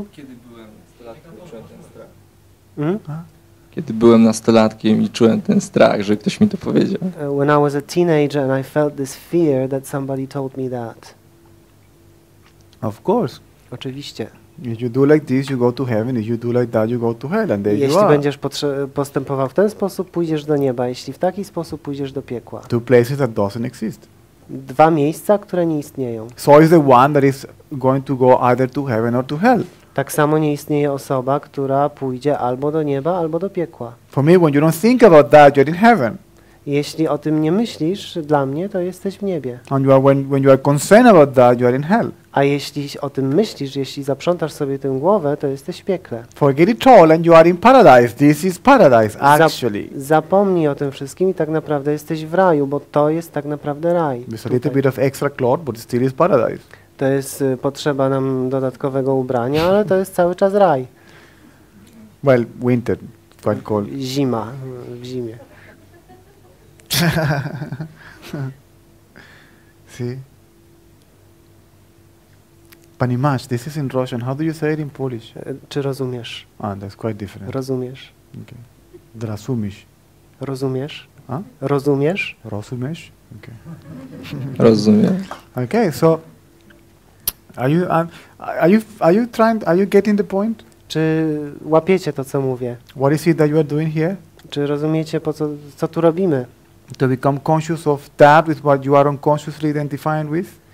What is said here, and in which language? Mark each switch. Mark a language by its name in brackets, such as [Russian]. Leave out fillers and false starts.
[Polish] Kiedy byłem nastolatkiem i czułem ten strach. Hmm? Kiedy byłem nastolatkiem i czułem ten strach, że ktoś mi to powiedział. [English] When I was a teenager and I felt this fear that somebody told me that. Of course. [Polish] Oczywiście. [English] If you do like this, you go to heaven. If you do like that, you go to hell. And there [Polish] Jeśli [English] you are. [Polish] Będziesz postępował w ten sposób, pójdziesz do nieba. Jeśli w taki sposób, pójdziesz do piekła. [English] Two places that doesn't exist. [Polish] Dwa miejsca, które nie istnieją. [English] So is the one that is going to go either to heaven or to hell. [Polish] Tak samo nie istnieje osoba, która pójdzie albo do nieba, albo do piekła. [English] For me, when you don't think about that, you're in heaven. [Polish] Jeśli o tym nie myślisz, dla mnie to jesteś w niebie. [English] And you are when you are concerned about that, you are in hell. [Polish] A jeśli o tym myślisz, jeśli zaprzątasz sobie tę głowę, to jesteś w piekle. [English] Forget it all and you are in paradise. This is paradise, actually. [Polish] Zapomnij o tym wszystkim i tak naprawdę jesteś w raju, bo to jest tak naprawdę raj. [English] It's a little bit of extra cloth, but it still is paradise. [Polish] To jest potrzeba nam dodatkowego ubrania, ale to jest cały czas raj. [English] Well, winter, quite cold. [Polish] Zima, w zimie. [English] See? Panimash, this is in Russian. How do you say it in Polish? [Polish] Czy rozumiesz? [English] Ah, that's quite different. [Polish] Rozumiesz. [English] Okay. Drasumisz. [Polish] Rozumiesz? A? Rozumiesz? Rozumiesz? Okay. Rozumiem. [English] Okay, so are you trying, are you getting the point? [Polish] Czy łapiecie to, co mówię? [English] What is it that you are doing here? [Polish] Czy rozumiecie, po co tu robimy? [English] To become conscious of that with what you are unconsciously identifying with?